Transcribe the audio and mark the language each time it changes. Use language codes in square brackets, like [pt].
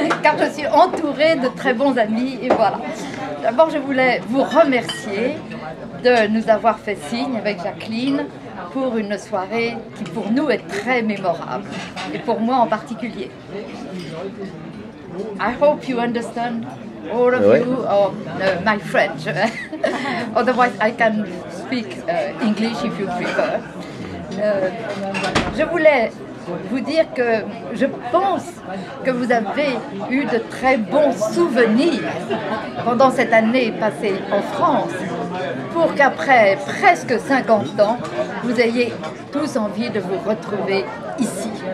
[fr] car je suis entourée de très bons amis. Et voilà. D'abord, je voulais vous remercier de nous avoir fait signe avec Jacqueline pour une soirée qui, pour nous, est très mémorable, et pour moi en particulier. [en] I hope you understand, all of you, or my French. Otherwise, I can speak English if you prefer. [fr] Je voulais vous dire que je pense que vous avez eu de très bons souvenirs pendant cette année passée en France, pour qu'après presque 50 ans, vous ayez tous envie de vous retrouver ici.